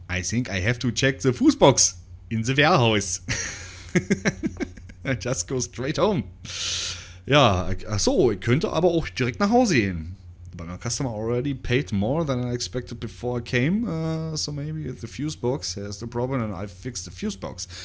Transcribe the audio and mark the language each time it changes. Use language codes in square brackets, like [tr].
[en] I think I have to check the Fußbox in the warehouse. I just go straight home. [de] Ja, achso, ich könnte aber auch direkt nach Hause gehen. [en] But my customer already paid more than I expected before I came. So maybe the fuse box has the problem and I fixed the fuse box.